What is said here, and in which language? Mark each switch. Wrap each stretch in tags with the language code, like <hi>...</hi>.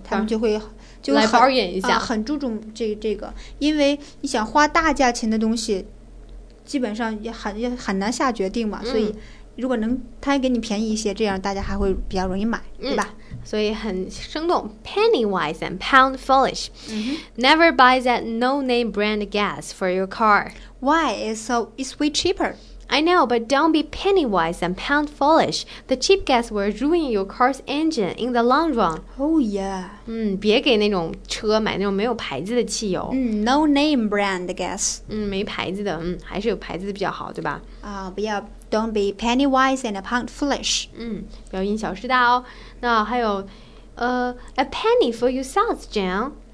<zh>他们就会来保养一下，很注重这个，因为你想花大价钱的东西基本上也很难下决定嘛，所以如果能他给你便宜一些，这样大家还会比较容易买，对吧？所以很生动，</zh> <en>penny wise and pound foolish。 Never buy that no name brand gas for your car. Why? It's way cheaper. I know, but don't be penny wise and pound foolish. The cheap gas will ruin your car's engine in the long run. Oh yeah.</en> <zh>别给那种车买那种没有牌子的汽油。</zh> <en>No name brand gas.</en> <zh>没牌子的，还是有牌子的比较好，对吧？</zh> <en>Don't be penny wise and pound foolish.</en> <zh>不要因小失大哦。那还有</zh> <en>a penny for your thoughts,</en> <zh>Jan.</zh>